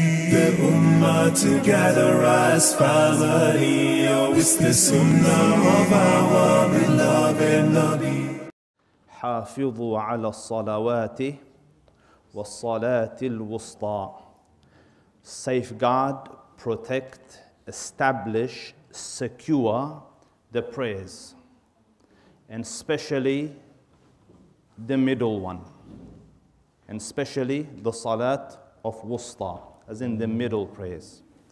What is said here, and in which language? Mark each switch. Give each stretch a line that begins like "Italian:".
English: the Ummah to gather as family. Oh, it's the Sunnah of our beloved Nabi.
Arabic: حافظوا على الصلوات والصلاة الوسطى.
English: Safeguard, protect, establish, secure the prayers, and especially the middle one, and especially the Salat of Wusta, as in the middle prayers.